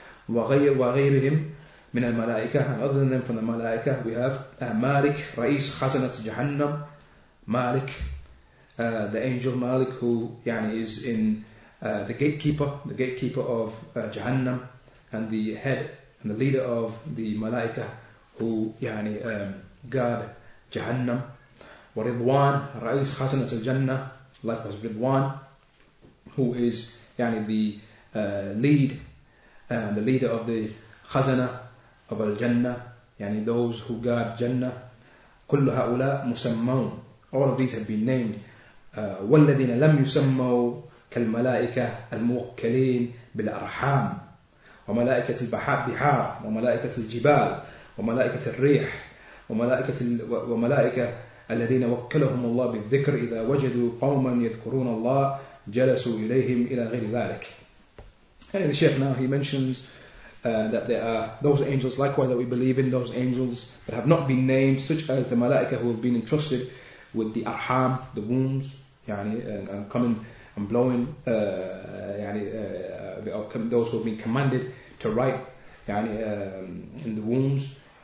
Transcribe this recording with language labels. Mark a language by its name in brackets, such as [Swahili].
[Arabic] وغيرهم من الملائكة. [English] And other than them from the Malaika, we have Malik, [Arabic] رئيس خزنة جهنم. [English] Malik, the angel Malik, who is in the gatekeeper of Jahannam, and the head and the leader of the Malaika, who guard Jahannam. [Arabic] ورضوان, رئيس خزنة الجنة, [English] likewise Ridwan, who is يعني the lead, the leader of the khazana of al-jannah, يعني those who guard jannah. [Arabic] كل هؤلاء مسمون. [English] All of these have been named. [Arabic] والذين لم يسموا كالملائكة الموكلين بالأرحام وملائكة البحار وملائكة الجبال وملائكة الريح وملائكة وملائكة الذين وكلهم الله بالذكر إذا وجدوا قوما يذكرون الله جلسوا إليهم إلى غير ذلك. [English] And the Sheikh now he mentions that there are those angels likewise that we believe in, those angels that have not been named, such as the malaika who have been entrusted with the arham, the wombs, يعني, and coming and blowing, those who have been commanded to write يعني, in the wombs.